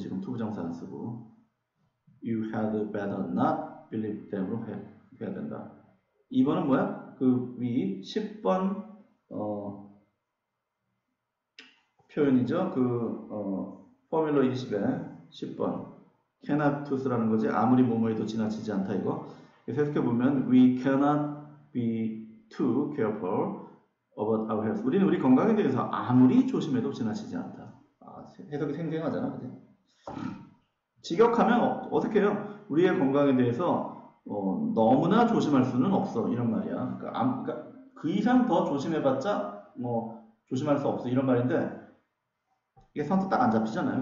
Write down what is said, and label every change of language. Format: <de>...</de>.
<ko>지금 to 부정사 안 쓰고</ko> <en>You had better not believe them</en> <ko>으로 해야 된다. 2번은 뭐야? 그 위 10번 표현이죠. 포뮬러 20에 10번. cannot to라는 거지. 아무리 뭐뭐해도 지나치지 않다 이거. 계속해 보면</ko> <en>we cannot be too careful about our health.</en> <ko>우리는 우리 건강에 대해서 아무리 조심해도 지나치지 않다. 아, 해석이 생생하잖아. 근데. 직역하면 어떡해요? 우리의 건강에 대해서 너무나 조심할 수는 없어. 이런 말이야. 그 이상 더 조심해봤자 뭐 조심할 수 없어. 이런 말인데 이게 선뜻 딱 안 잡히잖아요.</ko>